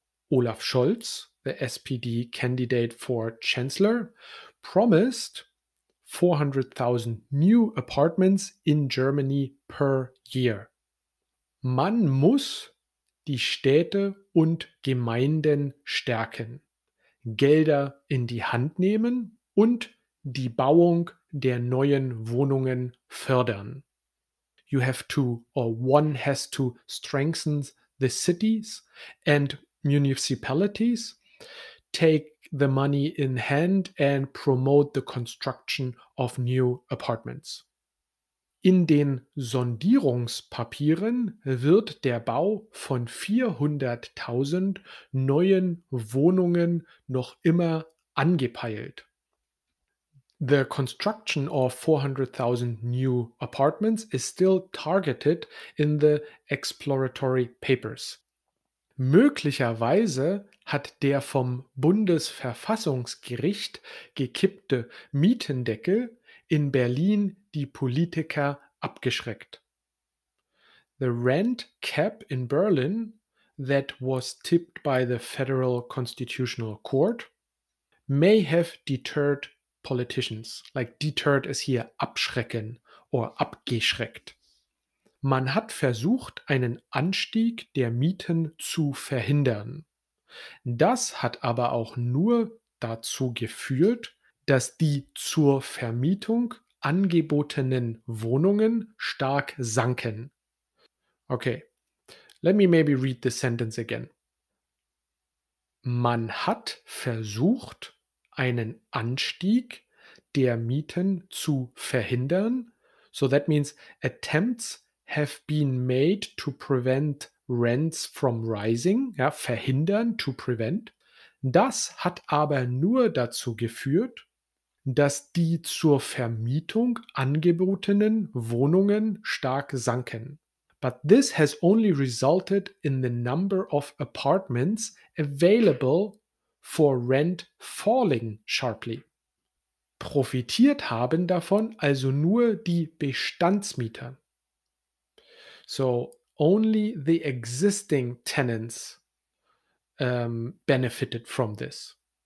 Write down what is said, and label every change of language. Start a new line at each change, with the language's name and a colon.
English: Olaf Scholz, the SPD candidate for Chancellor, promised 400.000 new apartments in Germany per year.
German: Man muss die Städte und Gemeinden stärken, Gelder in die Hand nehmen und die Bauung der neuen Wohnungen fördern.
English: You have to, or one has to, strengthen the cities and municipalities, take the money in hand and promote the construction of new apartments.
German: In den Sondierungspapieren wird der Bau von 400.000 neuen Wohnungen noch immer angepeilt.
English: The construction of 400.000 new apartments is still targeted in the exploratory papers.
German: Möglicherweise hat der vom Bundesverfassungsgericht gekippte Mietendeckel in Berlin die Politiker abgeschreckt.
English: The rent cap in Berlin that was tipped by the Federal Constitutional Court may have deterred politicians. Like deterred is here abschrecken or abgeschreckt.
German: Man hat versucht, einen Anstieg der Mieten zu verhindern. Das hat aber auch nur dazu geführt, dass die zur Vermietung angebotenen Wohnungen stark sanken.
English: Okay, let me maybe read the sentence again.
German: Man hat versucht, einen Anstieg der Mieten zu verhindern.
English: So that means attempts have been made to prevent rents from rising.
German: Ja, verhindern, to prevent. Das hat aber nur dazu geführt, dass die zur Vermietung angebotenen Wohnungen stark sanken.
English: But this has only resulted in the number of apartments available for rent falling sharply.
German: Profitiert haben davon also nur die Bestandsmieter.
English: So only the existing tenants benefited from this.